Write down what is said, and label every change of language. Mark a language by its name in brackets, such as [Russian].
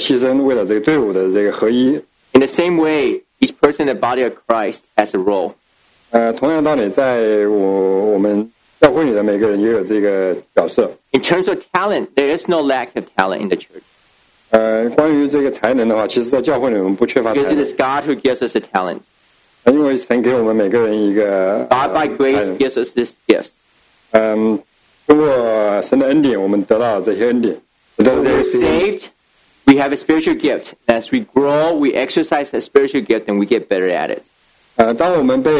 [Chinese] 每一个队员都应该做一些个人的牺牲，为了这个队伍的这个合一。 [English] In the same way, each person in the body of Christ has a role. [Chinese] 同样道理，在我们教会里的每个人也有这个角色。 [English] In terms of talent, there is no lack of talent in the church. [Chinese] 关于这个才能的话，其实在教会里我们不缺乏才能。 [English] Because it is God who gives us the talent. [Chinese] 因为神给我们每个人一个 [English] God by grace gives us this gift. [Chinese] 通过神的恩典，我们得到这些恩典。 [English] We're saved. We have a spiritual gift. As we grow, we exercise a spiritual gift, and we get better at it.